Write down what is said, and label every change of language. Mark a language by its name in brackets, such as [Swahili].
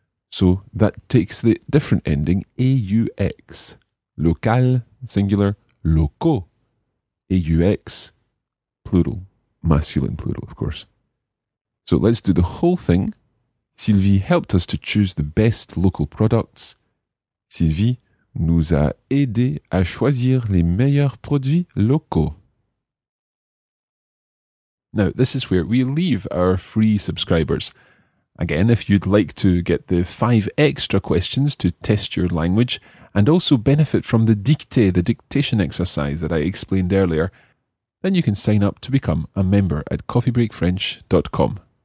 [English] So that takes the different ending, A-U-X. Local, singular, locaux, A-U-X, plural, masculine plural, of course. So let's do the whole thing. Sylvie helped us to choose the best local products. [French] Sylvie nous a aidé à choisir les meilleurs produits locaux. [English] Now, this is where we leave our free subscribers. Again, if you'd like to get the 5 extra questions to test your language and also benefit from the dictée, the dictation exercise that I explained earlier, then you can sign up to become a member at coffeebreakfrench.com.